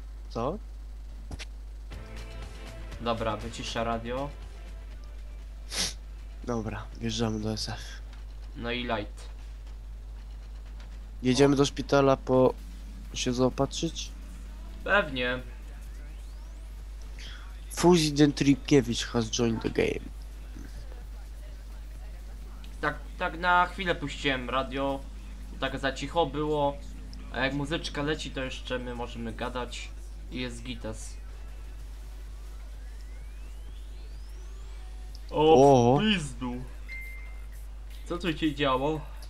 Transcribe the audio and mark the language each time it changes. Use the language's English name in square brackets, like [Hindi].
[Polish] Co? Dobra, wycisza radio. Dobra, wjeżdżamy do SF. No i light. Jedziemy do szpitala po... się zaopatrzyć? Pewnie. [English] Fuzi Dentrykiewicz has joined the game. [Polish] Tak na chwilę puściłem radio. Tak za cicho było. A jak muzyczka leci, to jeszcze my możemy gadać. Jest gitas. O, pizdu. Co tu się działo?